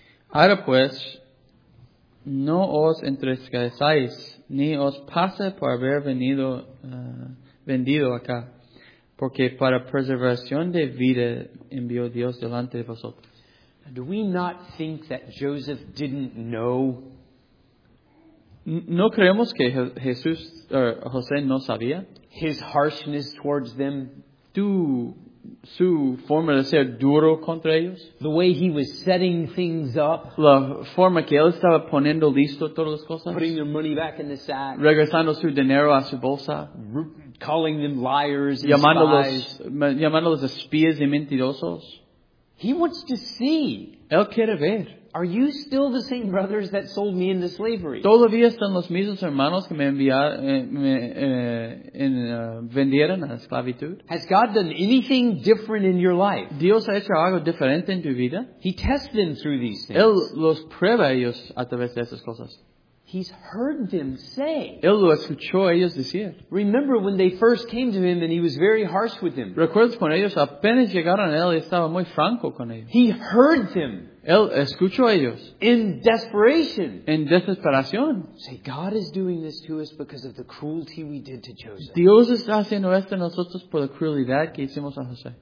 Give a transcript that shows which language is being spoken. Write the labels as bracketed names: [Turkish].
[Spanish] Ahora pues, no os entristezcáis ni os pase por haber venido vendido acá, porque para preservación de vida envió Dios delante de vosotros. [English] Do we not think that Joseph didn't know? [Spanish] ¿No creemos que Jesús or José no sabía? [English] His harshness towards them. [Spanish] Su forma de ser duro contra ellos. [English] The way he was setting things up. [Spanish] La forma que él estaba poniendo listo todas las cosas. [English] Putting their money back in the sack. [Spanish] Regresando su dinero a su bolsa. [English] Calling them liars and [Spanish] spies. Llamándolos espías y mentirosos. [English] He wants to see. [Spanish] Él quiere ver. [English] Are you still the same brothers that sold me into slavery? [Spanish] ¿Todavía están los mismos hermanos que vendieron a esclavitud? [English] Has God done anything different in your life? [Spanish] ¿Dios ha hecho algo diferente en tu vida? [English] He tests them through these things. [Spanish] Él los prueba ellos a través de esas cosas. [English] He's heard them say. [Spanish] Él lo escuchó a ellos decir. [English] Remember when they first came to him and he was very harsh with them. [Spanish] ¿Recuerdas cuando ellos apenas llegaron a él y estaba muy franco con ellos? [English] He heard them. [Spanish] Él escuchó a ellos. [English] In desperation. [Spanish] En desesperación. [English] Say, God is doing this to us because of the cruelty we did to Joseph. [Spanish] Dios está haciendo esto a nosotros por la crueldad que hicimos a José.